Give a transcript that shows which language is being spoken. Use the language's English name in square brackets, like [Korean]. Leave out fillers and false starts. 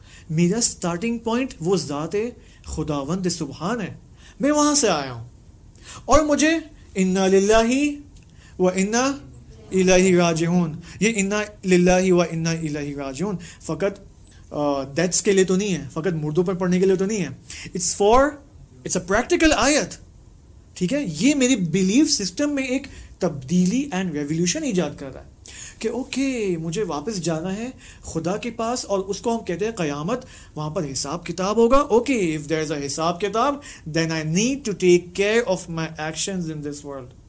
[Urdu] میرا starting point وہ ذات خداوند سبحان ہے, میں وہاں سے آیا ہوں. اور مجھے انا للہ و انا الیہ راجعون, یہ انا للہ و انا الیہ راجعون فقط ڈیتھس کے لیے تو نہیں ہے, فقط مردوں پر پڑھنے کے لیے تو نہیں ہے. [English] It's for, it's a practical آیت. [Urdu] ٹھیک ہے, یہ میری بلیف سسٹم میں ایک تبدیلی اینڈ ریولیوشن ایجاد کر رہا ہے کہ اوکے مجھے واپس جانا ہے خدا کے پاس, اور اس کو ہم کہتے ہیں قیامت, وہاں پر حساب کتاب ہوگا. [English] Okay, if there is a حساب کتاب, then I need to take care of my actions in this world.